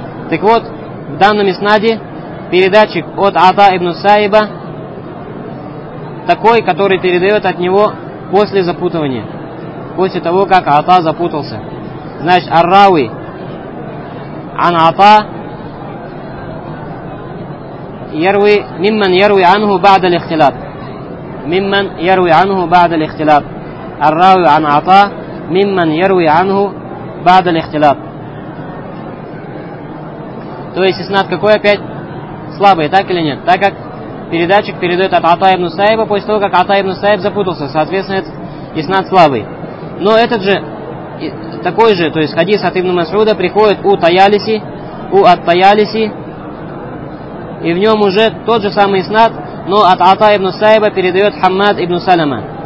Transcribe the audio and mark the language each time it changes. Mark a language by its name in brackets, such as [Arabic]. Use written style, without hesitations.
[Russian] Так вот, в данном иснаде передатчик от Ата ибн Саиба такой, который передает от него после запутывания. После того, как Ата запутался. Значит, [Arabic] ар-рауи ан-ата يروي ممن يروي عنه بعد الاختلاط. ممن يروي عنه بعد الاختلاط. الراوي عن عطاء ممن يروي عنه بعد الاختلاط. [Russian] То есть اسناد какой опять слабый, так или нет? Так как передатчик передает от Ата ибн Саиба после того, как Ата ибн Саиб запутался, соответственно, этот иснад слабый. Но этот же, такой же, то есть хадис от ибн Масуда приходит у Таялиси, у Ат-Таялиси, и в нем уже тот же самый иснад, но от Ата ибн Саиба передает Хаммад ибн Салама.